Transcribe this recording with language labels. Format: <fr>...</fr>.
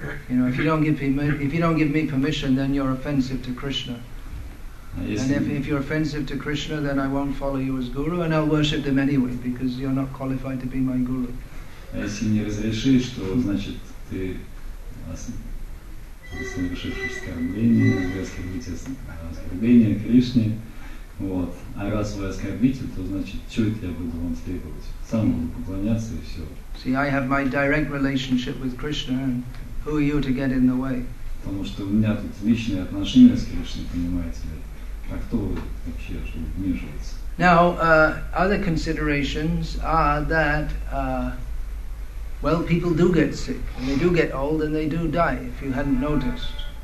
<en>You know, if you don't give me permission, then you're offensive to Krishna. And if you're offensive to Krishna, then I won't follow you as guru, and I'll worship them anyway, because you're not qualified to be my guru.</en> <ru>А если не разрешишь, то значит ты совершивших оскорбление, вы оскорбите оскорбление Кришне. Вот. А раз вы оскорбите, то значит, что это я буду вам требовать? Сам буду поклоняться и все.</ru> <en>See, I have my direct relationship with Krishna, and who are you to get in the way?</en> <ru>Потому что у меня тут личные отношения с Кришной, понимаете ли. А кто вы вообще, чтобы вмешиваться?</ru> <en>Now, other considerations are that, well, people do get sick, and they do get old, and they do die, if you hadn't noticed.</en>